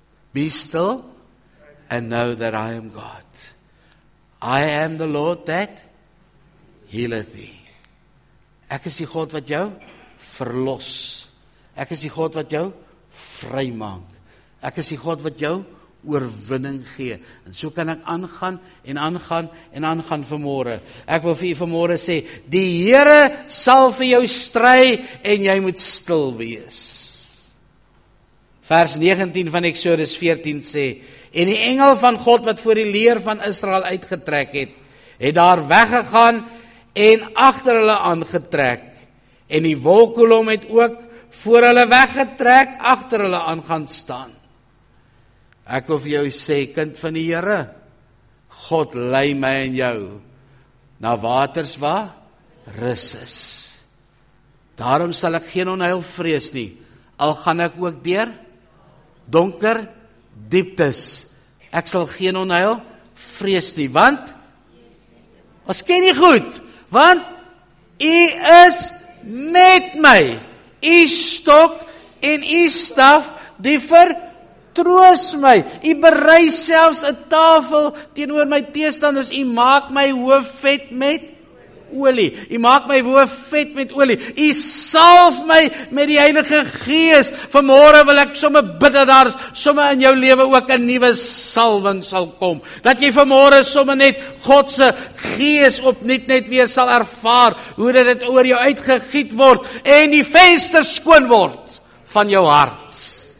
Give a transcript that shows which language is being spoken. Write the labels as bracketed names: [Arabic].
[English] Be still and know that I am God. I am the Lord that healeth thee. [Afrikaans] Ek is die God wat jou verlos. Ek is die God wat jou vry maak. Ek is die God wat jou oorwinning gee. En so kan ek aangaan en aangaan en aangaan vanmôre. Ek wil vir jy vanmôre sê, die Here sal vir jou stry en jy moet stil wees. Vers 19 van Eksodus 14 sê, en die engel van God wat voor die leer van Israel uitgetrek het, het daar weggegaan en achter hulle aangetrek, en die wolkkolom het ook voor hulle weggetrek, achter hulle aan gaan staan. Ek wil vir jou sê, kind van die Here, God lei my en jou na waters waar rus is. Daarom sal ek geen onheil vrees nie, al gaan ek ook deur donker dieptes. Ek sal geen onheil vrees nie, want ons ken nie goed, want U is met my. U stok en U staf, die vertroos my. U berei selfs 'n tafel teenoor my teestanders. U maak my hoof vet met olie. U maak my hoof vet met olie. U salf my met die Heilige Gees. Vanmôre wil ek sommer bid dat daar sommer in jou lewe ook 'n nuwe salwing sal kom. Dat jy vanmôre sommer net God se Gees opnuut net weer sal ervaar hoe dit oor jou uitgegiet word en die venster skoon word van jou hart.